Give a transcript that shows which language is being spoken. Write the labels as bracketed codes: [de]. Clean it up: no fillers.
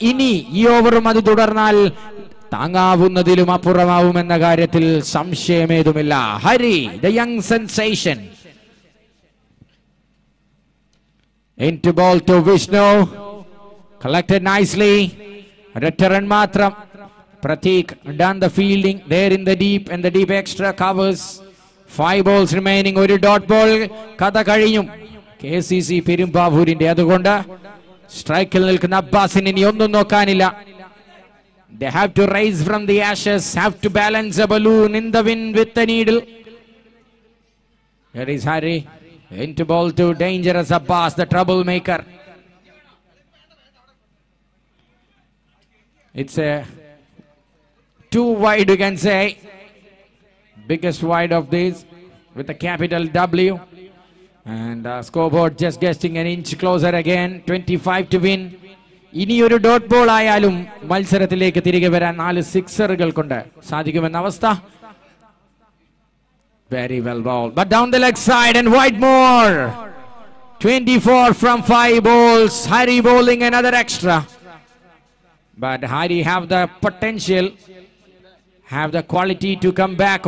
[ml] ഇനി ഈ ഓവറും അത് തുടർന്നാൽ താങ്ങാവുന്നതിലും അപ്പുറമാവും എന്ന കാര്യത്തിൽ സംശയമേതുമില്ല. [en] Hari, the young sensation. Into bowl to Vishnu, collected nicely, [ml] ഒരൊറ്റ റൺ മാത്രം. [en] Pratik done the fielding there in the deep, and the deep extra covers. 5 balls remaining, [ml] ഒരു ഡോട്ട് ബോൾ. കഥ കഴിഞ്ഞു കെസിസി പെരുമ്പാവൂരിന്റെ. അതുകൊണ്ട് സ്ട്രൈക്കിൽ നിൽക്കുന്ന അബ്ബാസിന് ഇനി ഒന്നും നോക്കാനില്ല. [en] They have to rise from the ashes, have to balance a balloon in the wind with a needle. Here is Harry, into ball to dangerous Abbas, the troublemaker. It's a too wide, you can say. Biggest wide of these with a capital W. And scoreboard just getting an inch closer again. 25 to win. [ml] ഇനിയൊരു dot ball ആയാലും മത്സരത്തിലേക്ക് തിരികെ വരാൻ 4 സിക്സറുകൾ കൊണ്ട് സാധിക്കുമെന്ന അവസ്ഥ. [en] Very well ball, but down the leg side and wide more. 24 from 5 balls. Hari bowling another extra, but Hari have the potential, have the quality to come back.